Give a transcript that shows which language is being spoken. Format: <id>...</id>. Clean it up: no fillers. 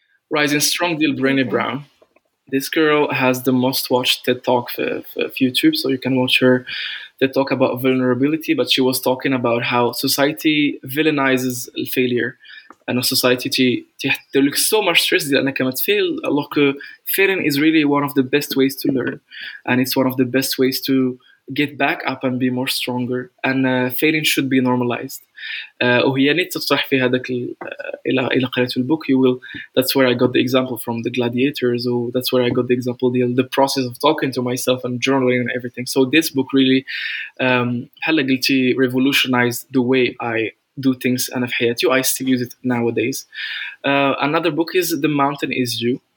<en>Rising Strong, deal Brené Brown. This girl has the most watched TED Talk for YouTube, so you can watch her TED Talk about vulnerability, but she was talking about how society villainizes failure. And a society, they look so much stressed that I cannot fail. Failing is really one of the best ways to learn. And it's one of the best ways to get back up and be more stronger, and failing should be normalized.</en> <ar>وهي اللي تطرح في هذاك إلى قريت البوك.</ar> <en>You will. That's where I got the example from the gladiators. Or that's where I got the example the process of talking to myself and journaling and everything. So this book really,</en> <ar>هلا قلتي</ar> <en>revolutionized the way I do things and</en> <ar>في حياتي.</ar> <en>I still use it nowadays. Another book is The Mountain Is You.</en>